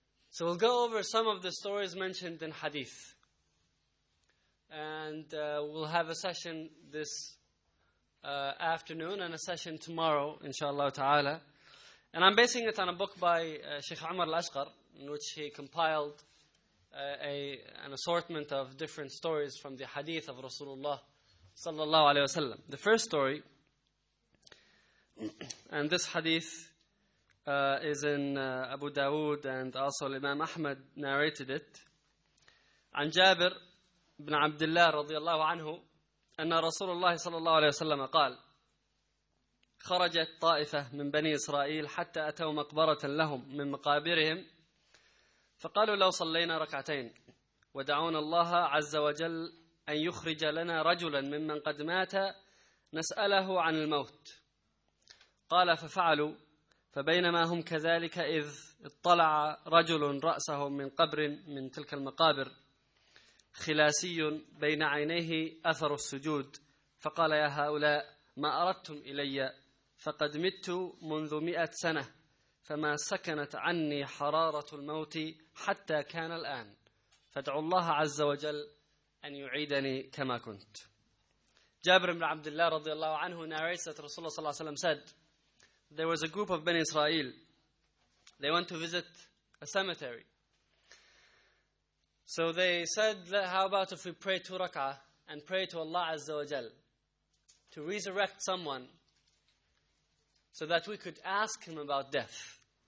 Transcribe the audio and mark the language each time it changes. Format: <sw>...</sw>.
<en>So we'll go over some of the stories mentioned in hadith. And we'll have a session this afternoon, and a session tomorrow, inshallah ta'ala. And I'm basing it on a book by Sheikh Umar Al-Ashqar, in which he compiled an assortment of different stories from the hadith of Rasulullah sallallahu alayhi wa sallam. The first story, and this hadith is in Abu Dawood, and also Imam Ahmad narrated it,</en> <ar>عن جابر بن عبد الله رضي الله عنه أن رسول الله صلى الله عليه وسلم قال خرجت طائفة من بني إسرائيل حتى أتوا مقبرة لهم من مقابرهم فقالوا لو صلينا ركعتين ودعونا الله عز وجل أن يخرج لنا رجلا ممن قد مات نسأله عن الموت قال ففعلوا فبينما هم كذلك إذ اطلع رجل رأسه من قبر من تلك المقابر خلاسي بين عينيه أثر السجود فقال يا هؤلاء ما أردتم إلي فقد مت منذ 100 سنة فما سكنت عني حرارة الموت حتى كان الآن فادعوا الله عز وجل أن يعيدني كما كنت.</ar> <en>جابر بن عبد الله رضي الله عنه narrates that Rasulullah صلى الله عليه وسلم said there was a group of Bani Israel. They went to visit a cemetery. So they said, how about if we pray 2 rak'ah and pray to Allah Azza wa Jal to resurrect someone so that we could ask him about death.</en>